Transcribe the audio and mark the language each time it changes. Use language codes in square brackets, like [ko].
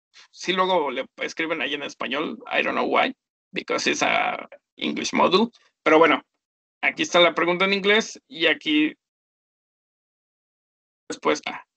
[es] Sí, luego le escriben ahí en español. [en] I don't know why, because it's a English module. [es] Pero bueno, aquí está la pregunta en inglés y aquí respuesta.